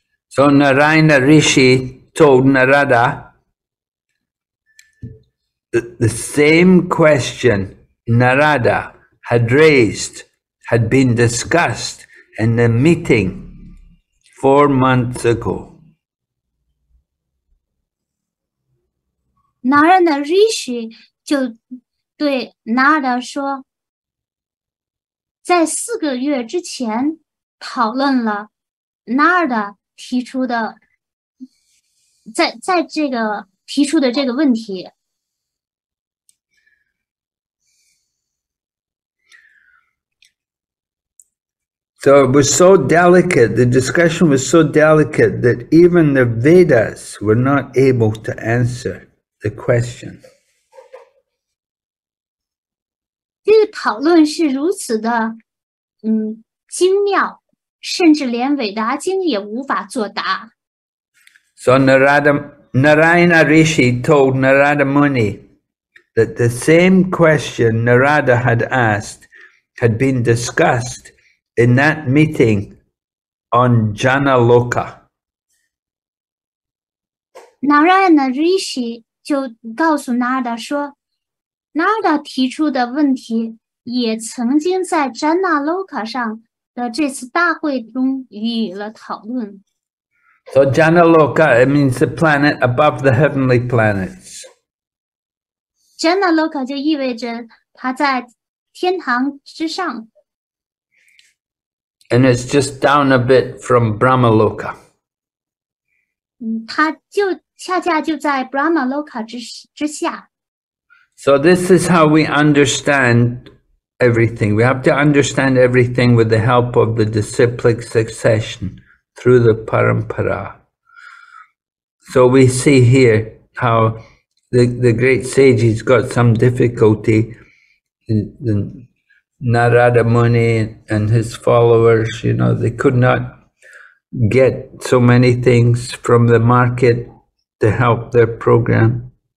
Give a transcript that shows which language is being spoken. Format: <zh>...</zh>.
<en>So Narayana Rishi told Narada, the same question Narada had raised had been discussed in the meeting 4 months ago.</en> <zh>Narayana Rishi 就对 Narada 说，在四个月之前讨论了 Narada 提出的，在这个提出的这个问题。</zh> <en>So it was so delicate, the discussion was so delicate that even the Vedas were not able to answer the question.</en> <zh>这个讨论是如此的精妙，甚至连韦达经也无法作答。</zh> <en>So Narayana Rishi told Narada Muni that the same question Narada had asked had been discussed in that meeting on Janaloka.</en> <zh>Narayana Rishi 就告诉 Narada 说， Narada 提出的问题也曾经在 Janaloka 上的这次大会中予以了讨论。</zh> <en>So Janaloka, it means the planet above the heavenly planets.</en> <zh>Janaloka 就意味着它在天堂之上。</zh> <en>And it's just down a bit from Brahmaloka.</en> <zh>它就恰恰就在 Brahmaloka 之下。</zh> <en>So this is how we understand everything. We have to understand everything with the help of the disciplic succession through the parampara. So we see here how the great sages got some difficulty in Narada Muni and his followers, you know, they could not get so many things from the market to help their program.</en>